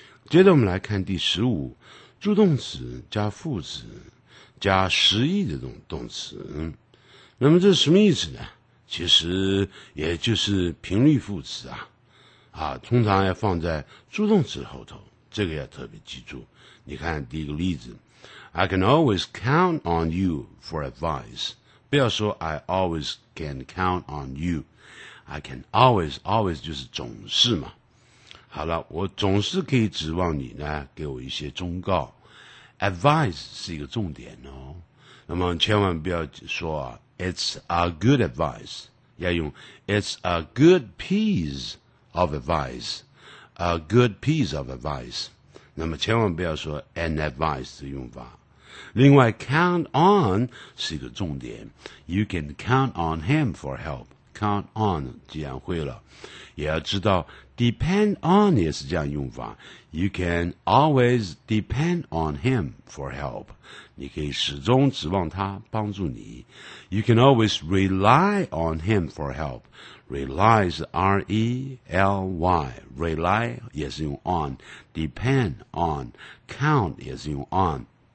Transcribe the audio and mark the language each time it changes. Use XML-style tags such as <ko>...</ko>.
<zh>接着我们来看第十五，助动词加副词加实义的动词，那么这是什么意思呢？其实也就是频率副词啊，啊，通常要放在助动词后头，这个要特别记住。你看第一个例子，</zh> <en>I can always count on you for advice， 不要说 I always can count on you， I can always， always</en> <zh>就是总是嘛。好了，我总是可以指望你呢给我一些忠告， advice 是一个重点哦。那么千万不要说</zh> <en>it's a good advice， 要用 it's a good piece of adviceA good piece of advice， 那么千万不要说 an advice 的用法。另外 count on 是一个重点， you can count on him for help， count on</en> <zh>既然会了，也要知道</zh> <en>depend on 也是这样用法， you can always depend on him for help，</en> <zh>你可以始终指望他帮助你，</zh> <en>you can always rely on him for help，Rely 是 R-E-L-Y， Rely 也是用 on， Depend on， Count 也是用 on，</en>